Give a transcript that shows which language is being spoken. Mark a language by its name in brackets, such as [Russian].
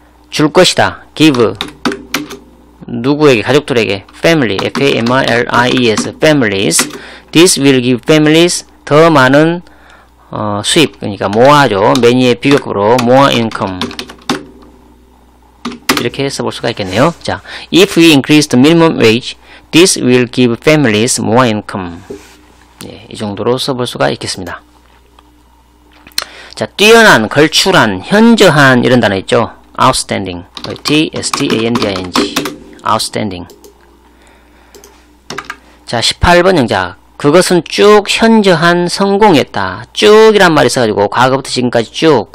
[Korean] 줄 것이다. give. 누구에게? 가족들에게. family. [English] families. families. this will give families [Korean] 더 많은 수입. 그러니까 모아죠. many의 비교급으로 [English] more income. [Korean] 이렇게 해서 볼 수가 있겠네요. [English] 자, if we increase the minimum wage, this will give families more income. [Korean] 예, 이 정도로 써볼 수가 있겠습니다. 자, 뛰어난, 걸출한, 현저한 이런 단어 있죠. [English] outstanding. T-S-T-A-N-D-I-N-G. outstanding. [Korean] 자, 18번 영작. 그것은 쭉 현저한 성공이었다. 쭉이란 말이 있어가지고 과거부터 지금까지 쭉.